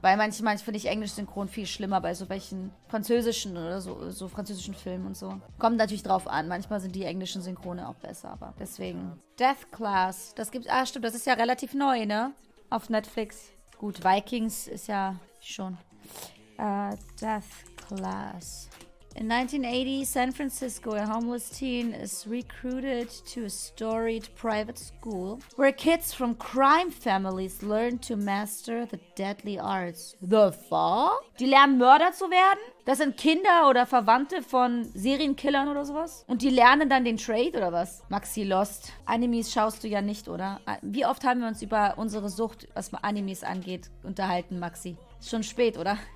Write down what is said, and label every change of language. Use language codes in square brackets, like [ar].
[de] Weil manchmal finde ich Englisch Synchron viel schlimmer bei so welchen französischen oder so französischen Filmen und so. Kommt natürlich drauf an. Manchmal sind die englischen Synchrone auch besser, aber deswegen. Death Class, das gibt's. Ah, stimmt, das ist ja relativ neu, ne? Auf Netflix. Gut, Vikings ist ja schon. Death Class. [en] In 1980, San Francisco, a homeless teen is recruited to a storied private school where kids from crime families learn to master the deadly arts. The fuck? [de] Die lernen, Mörder zu werden? Das sind Kinder oder Verwandte von Serienkillern oder sowas? Und die lernen dann den Trade oder was? Maxi Lost, Animes schaust du ja nicht, oder? Wie oft haben wir uns über unsere Sucht, was Animes angeht, unterhalten, Maxi? Ist schon spät, oder?